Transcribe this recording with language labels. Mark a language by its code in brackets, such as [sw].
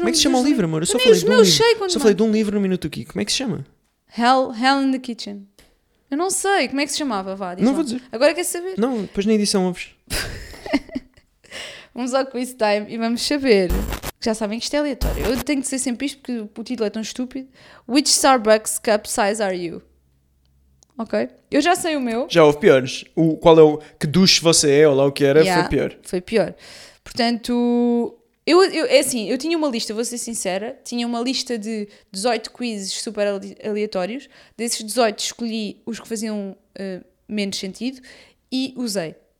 [pt] Como é que se chama o livro, amor? Eu só falei de um livro. Só falei de um livro no minuto aqui. Como é que se chama? Hell in the Kitchen. Eu não sei. Como é que se chamava, vá? Não vou dizer. Agora quer saber? Não, depois na edição ouves. Vamos ao quiz time e vamos saber. Já sabem que isto é aleatório. Eu tenho que ser sempre isto porque o título é tão estúpido. [en] Which Starbucks cup size are you? [pt] Ok. Eu já sei o meu. Já houve piores. O, qual é o... Que duche você é ou lá o que era, foi pior. Foi pior. Portanto, eu é assim, eu tinha uma lista, vou ser sincera, tinha uma lista de 18 quizzes super aleatórios. Desses 18 escolhi os que faziam menos sentido e usei.